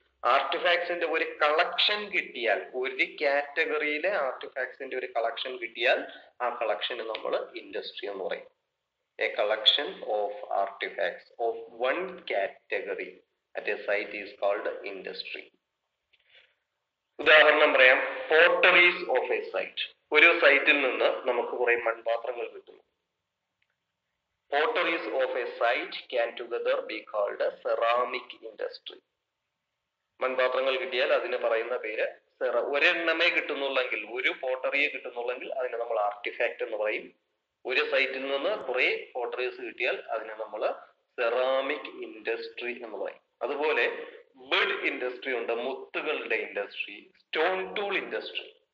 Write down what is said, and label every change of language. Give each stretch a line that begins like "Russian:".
Malayalam: ആർട്ടിഫാക്ട്സിന്റെ ഒരു കളക്ഷൻ കിട്ടിയാൽ, ഒരു കാറ്റഗറിയിലെ ആർട്ടിഫാക്ട്സിന്റെ ഒരു കളക്ഷൻ കിട്ടിയാൽ ആ കളക്ഷന് നമ്മൾ ഇൻഡസ്ട്രി എന്ന് പറയും.
English: A collection of artefacts of one category at a site is called industry.
Malayalam: ഉദാഹരണം പറയാം,
English: Potteries of a site.
Malayalam: ഒരു സൈറ്റിൽ നിന്ന് നമുക്ക് കുറെ മൺപാത്രങ്ങൾ കിട്ടുന്നു.
English: Potteries of a site can together be called a ceramic industry.
Malayalam: മൺപാത്രങ്ങൾ കിട്ടിയാൽ അതിന് പറയുന്ന പേര് ഒരെണ്ണമേ കിട്ടുന്നുള്ളെങ്കിൽ, ഒരു പോട്ടറിയെ കിട്ടുന്നുള്ളെങ്കിൽ അതിനെ നമ്മൾ ആർട്ടിഫാക്ട് എന്ന് പറയും. ഒരു സൈറ്റിൽ നിന്ന് കുറെ പോട്ടറീസ് കിട്ടിയാൽ അതിനെ നമ്മൾ സെറാമിക് ഇൻഡസ്ട്രി എന്ന് പറയും. അതുപോലെ ബെഡ് ഇൻഡസ്ട്രി ഉണ്ട്, മുത്തുകളുടെ ഇൻഡസ്ട്രി, സ്റ്റോൺ ടൂൾ ഇൻഡസ്ട്രി.